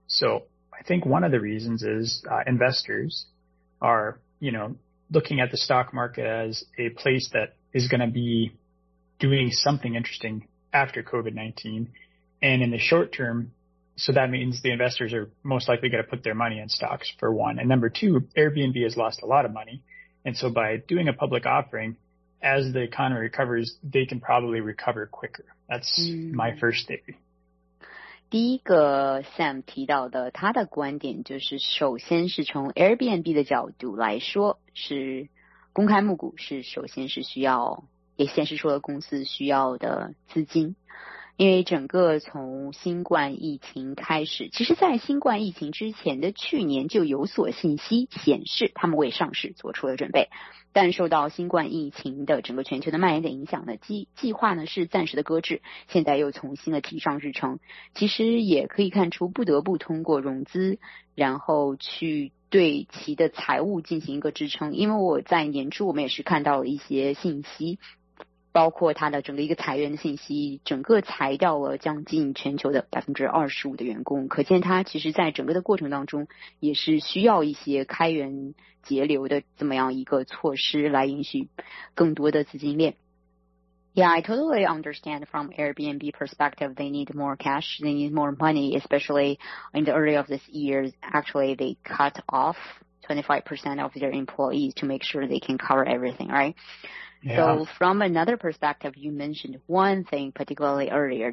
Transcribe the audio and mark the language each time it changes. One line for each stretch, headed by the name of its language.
English: So,I think one of the reasons is、investors are, you know, looking at the stock market as a place that is going to be doing something interesting after COVID-19. And in the short term, so that means the investors are most likely going to put their money in stocks, for one. And number two, Airbnb has lost a lot of money. And so by doing a public offering, as the economy recovers, they can probably recover quicker. That's、my first theory.
Chinese: 第一个 Sam 提到的他的观点就是，首先是从 Airbnb 的角度来说，是公开募股是首先是需要，也先是说公司需要的资金，因为整个从新冠疫情开始，其实在新冠疫情之前的去年就有所信息显示他们为上市做出了准备，但受到新冠疫情的整个全球的蔓延的影响呢，计划呢是暂时的搁置，现在又重新的提上日程，其实也可以看出不得不通过融资然后去对其的财务进行一个支撑。因为我在年初我们也是看到了一些信息，包括它的整个一个裁员的信息，整个裁掉了将近全球的 25% 的员工，可见它其实在整个的过程当中也是需要一些开源节流的这么样一个措施来允许更多的资金链。
English: Yeah, I totally understand from Airbnb perspective, they need more cash, they need more money, especially in the early of this year, actually they cut off 25% of their employees to make sure they can cover everything, right? Yeah. So from another perspective, you mentioned one thing particularly earlier.